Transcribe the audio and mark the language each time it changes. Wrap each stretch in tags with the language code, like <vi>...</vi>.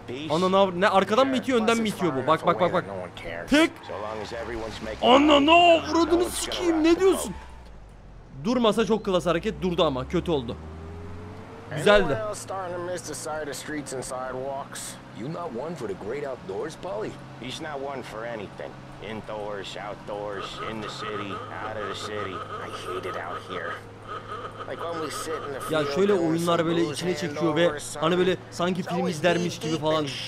<tr>Ana ne, ne arkadan mı itiyor, önden mi itiyor bu? Bak bak bak bak. Tık. Ana ne, vurdunu sikeyim, ne diyorsun? Durmasa çok klas hareket, durdu ama kötü oldu. Güzeldi.</tr> <en>You not one for the great outdoors, Polly? He's not one for anything. Indoors, outdoors, in the city, out of the city. I hate it out here. Like when we sit in the field.</en> <tr>Ya şöyle oyunlar böyle içine çekiyor ve hani böyle sanki film izlermiş gibi falan.</tr>